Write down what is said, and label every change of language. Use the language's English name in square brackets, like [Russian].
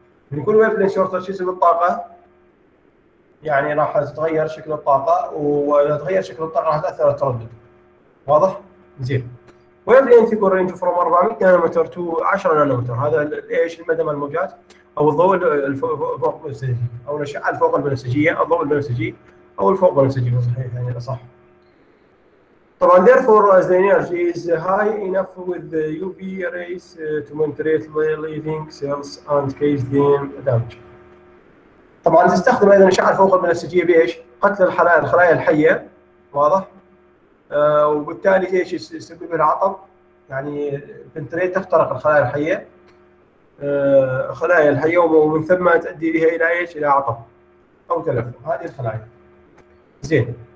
[Arabic] من كل ويف لينث شورتر شو يصير الطاقة؟ يعني راح تتغير شكل الطاقة واذا تغير شكل الطاقة راح تاثر التردد. واضح؟ زين. ويف لينث يكون رينج فروم 400 نانومتر تو 10 نانومتر هذا ايش؟ المدى من الموجات او الضوء الفوق البنفسجي او الاشعة الفوق البنفسجية او الضوء البنفسجي او الفوق البنفسجي صحيح يعني صح. طبعا [English] therefore as the energy is high enough with the UV rays to penetrate living cells and cause them damage. [Arabic] طبعا تستخدم ايضا الاشعه الفوق البنفسجيه بايش؟ قتل الخلايا الحيه. واضح؟ وبالتالي ايش يسبب العطب؟ يعني البنتري تخترق الخلايا الحية، خلايا الحية ومن ثم تؤدي بها إلى إيش؟ إلى عطب أو تلف. هذه الخلايا. زين.